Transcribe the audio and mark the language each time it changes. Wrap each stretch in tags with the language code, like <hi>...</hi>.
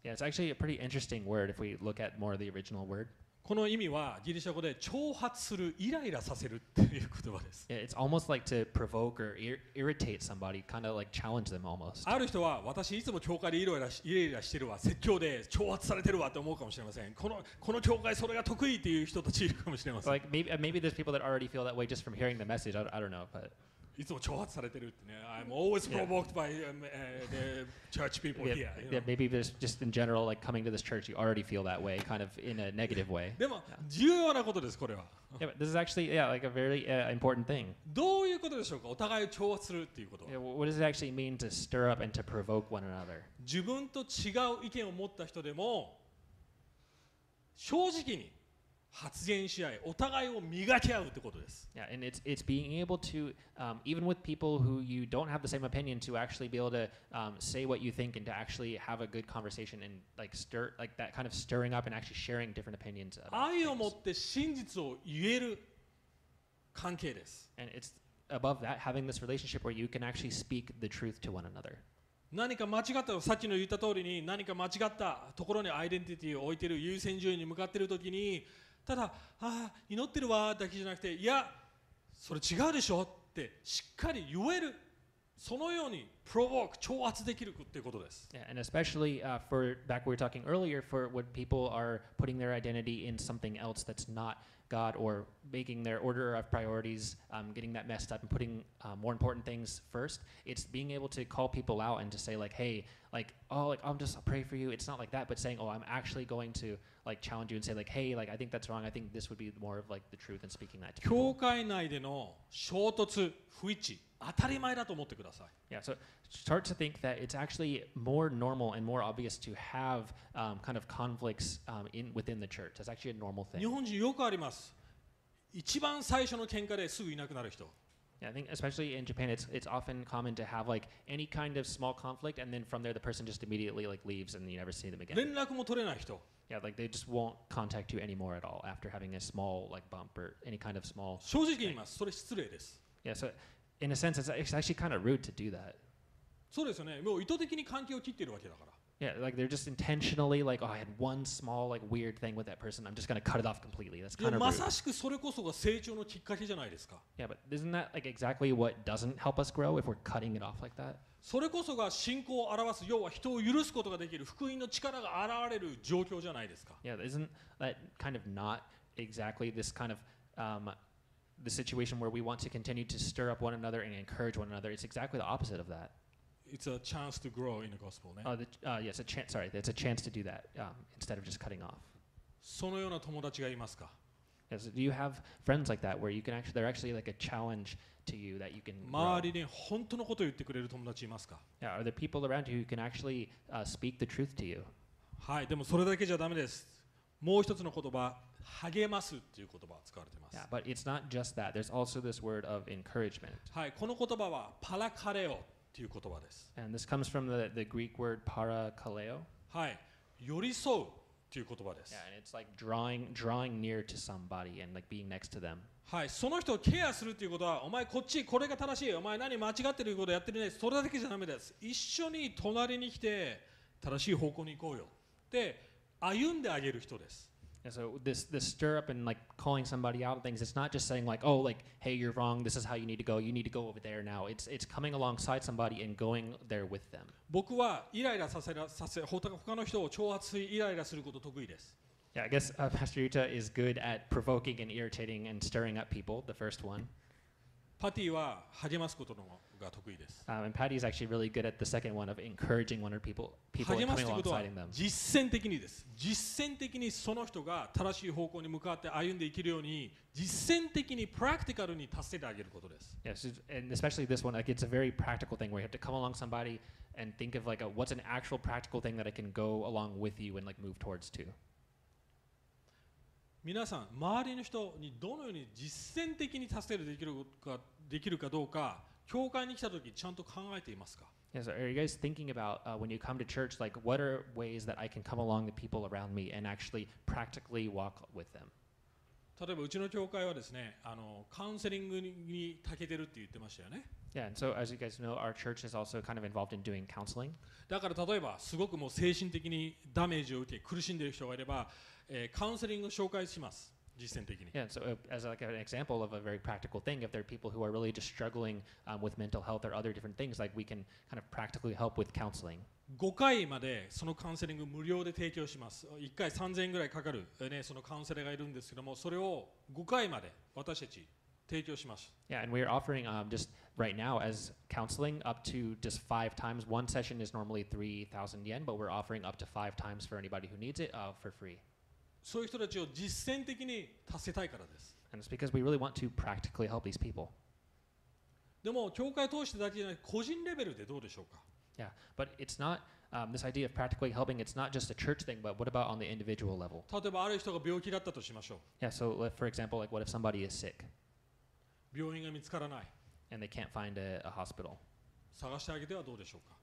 <en>Yeah, it's actually a pretty interesting word if we look at more of the original word.</en> <ja>この意味はギリシャ語で挑発する、イライラさせるっていう言葉です。</ja> <en>Yeah, it's almost like to provoke or irritate somebody, kind of like challenge them almost.</en> <ja>ある人は私いつも教会でイライラしてるわ、説教で挑発されてるわって思うかもしれません。この教会それが得意っていう人たちいるかもしれません。</ja> <en>Like maybe there's people that already feel that way just from hearing the message. I don't know, but</en> <ja>いつも挑発されてるってね。</ja> <en>I'm always provoked by the church people here. Yeah, maybe there's just in general, like coming to this church, you already feel that way, kind of in a negative way.</en> <ja>でも重要なことです、これは。</ja> <en>Yeah, but this is actually, like a very important thing.</en> <ja>どういうことでしょうか？お互いを挑発するっていうこと。</ja> <en>Yeah, what does it actually mean to stir up and to provoke one another?</en> <ja>自分と違う意見を持った人でも、正直に発言し合い、お互いを磨き合うってことです。</ja> <en>Yeah, and it's being able to, even with people who you don't have the same opinion, to actually be able to, say what you think and to actually have a good conversation and like stir, like that kind of stirring up and actually sharing different opinions.</en> <ja>愛を持って真実を言える関係です。</ja> <en>And it's above that, having this relationship where you can actually speak the truth to one another.</en> <ja>何か間違った、さっきの言った通りに何か間違ったところにアイデンティティを置いている、優先順位に向かっているときに、ただ、ああ、祈ってるわだけじゃなくて、いや、それ違うでしょってしっかり言える、そのようにプロボーク、挑発できるっていうことです。</ja> <en>Yeah, and especially, for back we were talking earlier, for when people are putting their identity in something else that's not God, or making their order of priorities, getting that messed up and putting more important things first, it's being able to call people out and to say like, hey, like, oh, like, I'm just, I'll pray for you. It's not like that, but saying, oh, I'm actually going to like challenge you and say like, hey, like, I think that's wrong. I think this would be more of like the truth and speaking that to people.</en> <ja>教会内での衝突、不一致、当たり前だと思ってください。</ja> <en>Yeah, so start to think that it's actually more normal and more obvious to have kind of conflicts in within the church. That's actually a normal thing.</en> <ja>日本人よくあります。一番最初の喧嘩ですぐいなくなる人。</ja> <en>Yeah, I think especially in Japan, it's often common to have like any kind of small conflict, and then from there the person just immediately like leaves and you never see them again.</en> <ja>連絡も取れない人。</ja> <en>Yeah, like they just won't contact you anymore at all after having a small like bump or any kind of small.</en> <ja>正直言います。それ失礼です。</ja> <en>Yeah, so. In a sense, it's actually kind of rude to do that.</en> <ja>そうですよね。もう意図的に関係を切っているわけだから。</ja> <en>Yeah, like they're just intentionally like, oh, I had one small like weird thing with that person. I'm just gonna cut it off completely. That's kind of rude.</en> <ja>まさしくそれこそが成長のきっかけじゃないですか。</ja> <en>Yeah, but isn't that like exactly what doesn't help us grow if we're cutting it off like that?</en> <ja>それこそが信仰を表す、要は人を許すことができる福音の力が現れる状況じゃないですか。</ja> <en>Yeah, isn't that kind of not exactly this kind of the situation where we want to continue to stir up one another and encourage one another. It's exactly the opposite of that. It's a chance to grow in the gospel, ne? Yes, a chance, sorry, it's a chance to do that instead of just cutting off.</en> <ja>そのような友達がいますか?</ja> <en>Yes, so do you have friends like that where you can actually, they're actually like a challenge to you that you can grow?</en> <ja>周りに本当のことを言ってくれる友達いますか?</ja> <en>Yeah, are there people around you who can actually speak the truth to you?</en> <ja>はい、でもそれだけじゃダメです。もう一つの言葉。励ますっていう言葉を使われています。</ja> <en>Yeah, but it's not just that. There's also this word of encouragement.</en> <ja>はい、この言葉はパラカレオっていう言葉です。</ja> <en>And this comes from the Greek word parakaleo.</en> <ja>はい、寄り添うっていう言葉です。</ja> <en>Yeah, and it's like drawing near to somebody and like being next to them.</en> <ja>はい、その人をケアするっていうことは、お前こっち、これが正しい。お前何間違ってることをやってるね。それだけじゃダメです。一緒に隣に来て正しい方向に行こうよ。で、歩んであげる人です。</ja> <en>Yeah, so this stir up and like calling somebody out of things, it's not just saying like, oh, like, hey, you're wrong, this is how you need to go, you need to go over there now. It's coming alongside somebody and going there with them.</en> <ja>僕はイライラさせ他の人を挑発しイライラすること得意です。</ja> <en>Yeah, I guess Pastor Yuta is good at provoking and irritating and stirring up people, the first one.</en> <ja>Patty は励ますことのが得意です。</ja> <en>And Patty is actually really good at the second one of encouraging one of people and coming alongside them.</en> <ja>実践的にです。実践的にその人が正しい方向に向かって歩んでいけるように実践的にプラクティカルに助けてあげることです。</ja> <en>Yes, and especially this one, like it's a very practical thing where you have to come along somebody and think of like what's an actual practical thing that I can go along with you and like move towards to.</en> <ja>皆さん、周りの人にどのように実践的に助けてできるかどうか教会に来た時ちゃんと考えていますか?</ja> <en>Yes, are you guys thinking about when you come to church, like what are ways that I can come along the people around me and actually practically walk with them?</en> <ja>例えばうちの教会はですね、カウンセリングに長けてるって言ってましたよね。</ja> <en>Yeah, and so as you guys know, our church is also kind of involved in doing counseling.</en> <ja>だから例えばすごくもう精神的にダメージを受け苦しんでる人がいれば、カウンセリングを紹介します。</ja> <en>Yeah, so as like an example of a very practical thing, if there are people who are really just struggling with mental health or other different things, like we can kind of practically help with counseling.</en> <ja>5回までそのカウンセリング無料で提供します。1回3000円ぐらいかかる、ね、そのカウンセラーがいるんですけども、それを5回まで私たち提供します。</ja> <en>Yeah, and we are offering just right now as counseling up to just 5 times. One session is normally 3,000 yen, but we're offering up to 5 times for anybody who needs it for free.</en> <ja>そういう人たちを実践的に助けたいからです。</ja> <en>And it's because we really want to practically help these people.</en> <ja>でも教会を通してだけじゃなく個人レベルでどうでしょうか?</ja> <en>Yeah, but it's not this idea of practically helping, it's not just a church thing, but what about on the individual level?</en> <ja>例えばある人が病気だったとしましょう。</ja> <en>Yeah, so if, for example, like what if somebody is sick?</en> <ja>病院が見つからない。</ja> <en>And they can't find a hospital.</en> <ja>探してあげてはどうでしょうか?</ja>